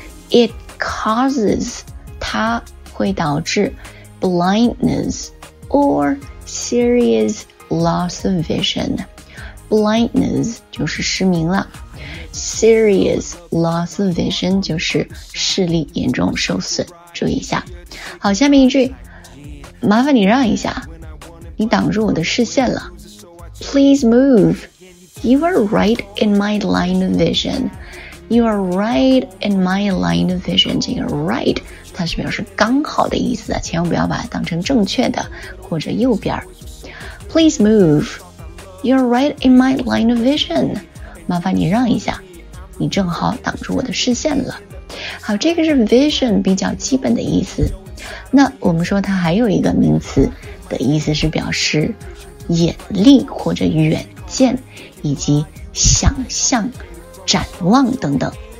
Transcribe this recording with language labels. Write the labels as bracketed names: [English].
[English] It causes, [Chinese] 它会导致 [English] blindness or serious loss of vision. [Chinese] Blindness 就是失明了， [English] serious loss of vision [Chinese] 就是视力严重受损，注意一下。好，下面一句，麻烦你让一下，你挡住我的视线了。 [English] Please move, you are right in my line of vision. You are right in my line of vision. [Chinese] 这个 right 它是表示刚好的意思的，千万不要把它当成正确的或者右边。 [English] Please move, you are right in my line of vision. [Chinese] 麻烦你让一下，你正好挡住我的视线了。好，这个是 vision 比较基本的意思。那我们说它还有一个名词的意思是表示眼力或者远见以及想象展望等等。